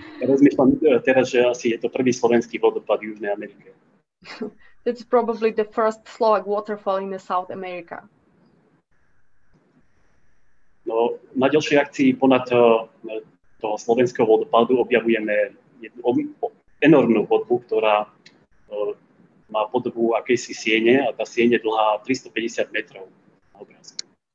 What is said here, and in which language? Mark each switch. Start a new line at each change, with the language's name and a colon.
Slovak: Rozmýšľam teraz, že asi je to prvý slovenský vodopád v Južnej Amerike.
English: It's probably the first Slovak waterfall in South America.
Slovak: No, na ďalšej akcii ponad toho slovenského vodopádu objavujeme jednu enormnú chodbu, ktorá má podobu akejsi siene a tá siene dlhá 350 metrov na obrázku.